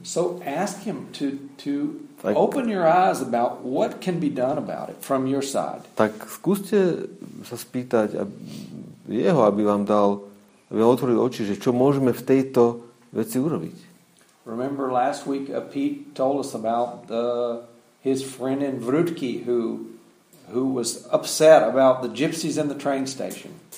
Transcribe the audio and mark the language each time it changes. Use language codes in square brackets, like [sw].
[en] So ask him to tak, open your eyes about what can be done about it from your side. [sk] Tak skúste sa spýtať jeho, aby vám dal otvoril oči, že čo môžeme v tejto veci urobiť. [en] Remember last week Pete told us about his friend in Vrutky who was upset about the gypsies in the train station.